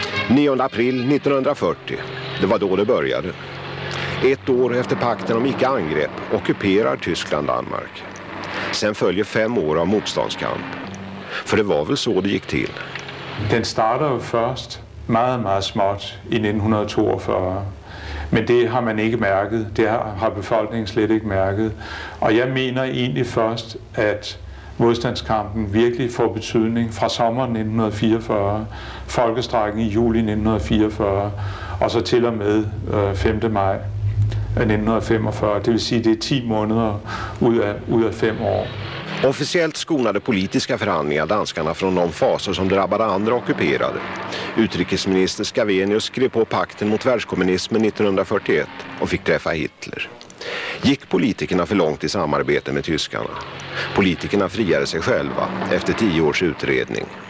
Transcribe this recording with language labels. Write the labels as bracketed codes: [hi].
[sv] 9 april 1940, det var då det började. Ett år efter pakten om icke-angrepp ockuperar Tyskland Danmark. Sen följer 5 år av motståndskamp. För det var väl så det gick till. Den startade först [da] meget, meget småt i 1942. Men det har man ikke mærket. Det har befolkningen slet ikke mærket. Og jeg mener egentlig først, at modstandskampen virkelig får betydning fra sommeren 1944, folkestrækken i juli 1944, og så til og med 5. maj 1945. Det vil sige, at det er 10 måneder ud af 5 år. [sv] Officiellt skonade politiska förhandlingar danskarna från de faser som drabbade andra ockuperade. Utrikesminister Scavenius skrev på pakten mot världskommunismen 1941 och fick träffa Hitler. Gick politikerna för långt i samarbete med tyskarna? Politikerna friade sig själva efter 10 års utredning.